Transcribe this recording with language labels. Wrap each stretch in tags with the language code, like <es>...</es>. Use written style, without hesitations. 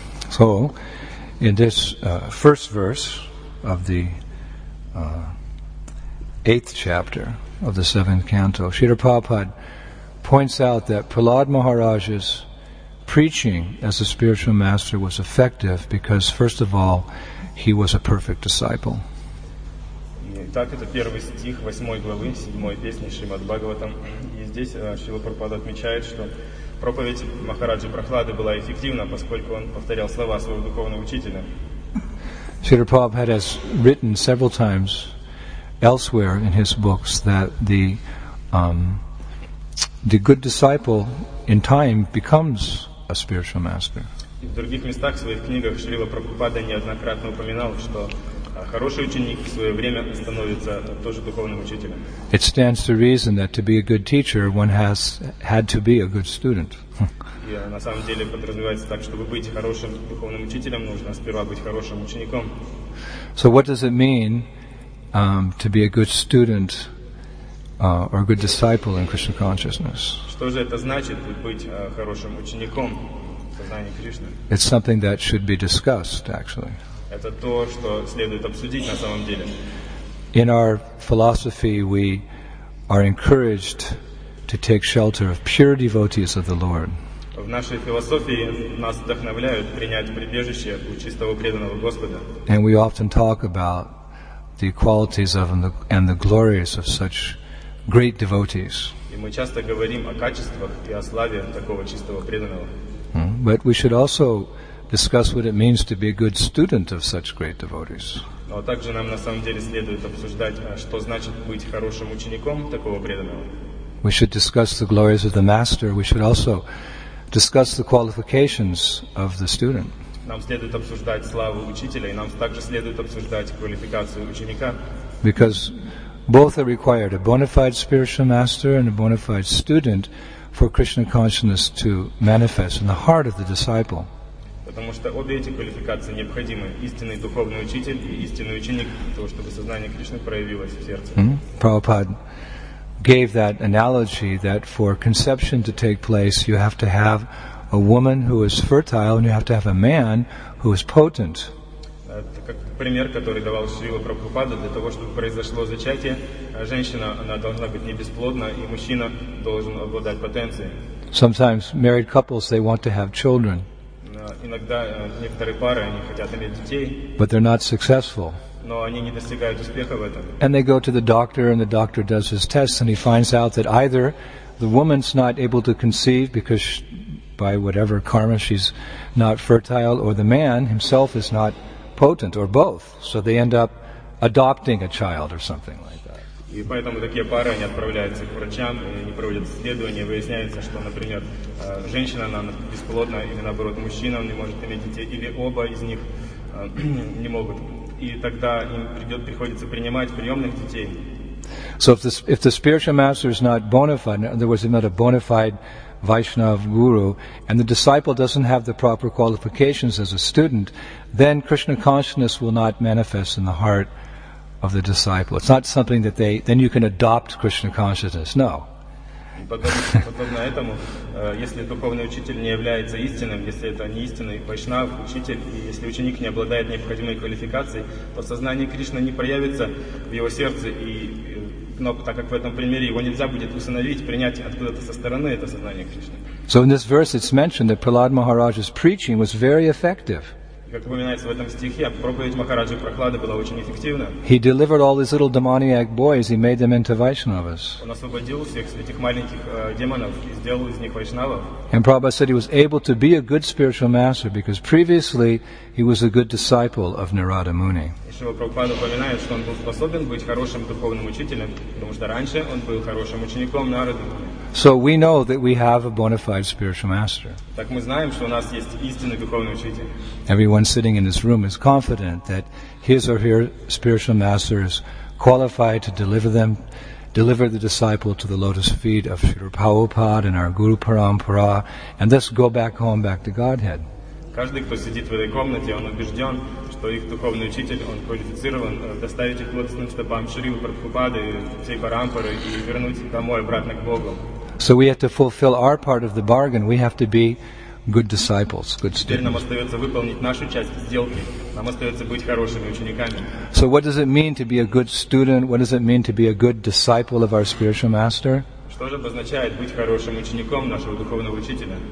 <en>So, in this first verse of the 8th chapter of the 7th canto, Srila Prabhupada points out that Prahlad Maharaj's preaching as a spiritual master was effective because, first of all, he was a perfect disciple.</en> <ru>Так, это первый стих 8 главы 7 песни Шримад Бхагаватам. И здесь Шрила Прабхупада отмечает, что проповедь Махараджи Прахлады была эффективна, поскольку он повторял слова своего духовного учителя.</ru> <en>Шрила Прабхупада has written several times elsewhere in his books that the good disciple in time becomes a spiritual master.</en> <ru>И в других местах в своих книгах Шрила Прабхупада неоднократно упоминал, что хороший ученик в свое время становится тоже духовным учителем.</ru> <en>It stands to reason that to be a good teacher, one has had to be a good student.</en> <ru>И на самом деле подразумевается так, чтобы быть хорошим духовным учителем, нужно сперва быть хорошим учеником.</ru> <en>So what does it mean to be a good student or a good disciple in Krishna consciousness?</en> <ru>Что же это значит быть хорошим учеником в сознании Кришны?</ru> <en>It's something that should be discussed, actually.</en> <ru>Это то, что следует обсудить на самом деле.</ru> <en>In our philosophy, we are encouraged to take shelter of pure devotees of the Lord.</en> <ru>В нашей философии нас вдохновляют принять прибежище у чистого преданного Господа.</ru> <en>And we often talk about the qualities of and the glories of such great devotees.</en> <ru>И мы часто говорим о качествах и о славе такого чистого преданного.</ru> <en>But we should also discuss what it means to be a good student of such great devotees.</en> <ru>Но также нам на самом деле следует обсуждать, что значит быть хорошим учеником такого преданного.</ru> <en>We should discuss the glories of the master. We should also discuss the qualifications of the student.</en> <ru>Нам следует обсуждать славу учителя, и нам также следует обсуждать квалификацию ученика.</ru> <en>Because both are required, a bona fide spiritual master and a bona fide student, for Krishna consciousness to manifest in the heart of the disciple.</en> <ru>Потому что обе эти квалификации необходимы. Истинный духовный учитель и истинный ученик, для того, чтобы сознание Кришны проявилось в сердце.</ru> <en>Prabhupada gave that analogy that for conception to take place, you have to have a woman who is fertile, and you have to have a man who is potent.</en> <ru>Это как пример, который давал Шрила Прабхупада. Для того, чтобы произошло зачатие, женщина, она должна быть не бесплодна, и мужчина должен обладать потенцией.</ru> <en>Sometimes married couples, they want to have children.</en> <ru>Иногда некоторые пары, они хотят иметь детей.</ru> <en>But they're not successful.</en> <ru>Но они не достигают успеха в этом.</ru> <en>And they go to the doctor, and the doctor does his tests, and he finds out that either the woman's not able to conceive because by whatever karma she's not fertile, or the man himself is not potent, or both. So they end up adopting a child or something like that.</en> <ru>И поэтому такие пары, они отправляются к врачам, и они проводят исследования, выясняется, что, например, женщина, она бесплодна, или наоборот, мужчина, он не может иметь детей, или оба из них не могут. И тогда им приходится принимать приемных детей.</ru> <en>So if the spiritual master is not bona fide, in other words, if not a bona fide Vaishnav guru, and the disciple doesn't have the proper qualifications as a student, then Krishna consciousness will not manifest in the heart of the disciple. It's not something that then you can adopt Krishna consciousness. No.</en> <ru>Подобно этому, если духовный учитель не является истинным, если это не истинный вайшнав, учитель, и если ученик не обладает необходимой квалификацией, то сознание Кришны не проявится в его сердце, и но так как в этом примере его нельзя будет усыновить, принять откуда-то со стороны это сознание Кришны.</ru> <en>So in this verse it's mentioned that Prahlad Maharaj's preaching was very effective.</en> <ru>Как упоминается в этом стихе, проповедь Махараджи Прахлады была очень эффективна.</ru> <en>He delivered all these little demoniac boys, he made them into Vaishnavas.</en> <ru>Он освободил всех этих маленьких демонов и сделал из них вайшнавов.</ru> <en>And Prabhupada said he was able to be a good spiritual master because previously he was a good disciple of Narada Muni.</en> <ru>Шрила Прабхупада упоминает, что он был способен быть хорошим духовным учителем, потому что раньше он был хорошим учеником Нарады.</ru> <en>So we know that we have a bona fide spiritual master.</en> <ru>Так мы знаем, что у нас есть истинный духовный учитель.</ru> <en>Everyone sitting in this room is confident that his or her spiritual master is qualified to deliver the disciple to the lotus feet of Srila Prabhupada and our Guru Parampara, and thus go back home to Godhead.</en> <ru>Каждый, кто сидит в этой комнате, он убежден, что их духовный учитель, он квалифицирован доставить их лотосным стопам Шрилы Прабхупады и всей Парампары и вернуть их домой, обратно к Богу.</ru> <en>So we have to fulfill our part of the bargain. We have to be good disciples, good students.</en> <ru>Теперь нам остается выполнить нашу часть сделки. Нам остается быть хорошими учениками.</ru> <en>So what does it mean to be a good student? What does it mean to be a good disciple of our spiritual master?</en> <ru>Что же обозначает быть хорошим учеником нашего духовного учителя?</ru>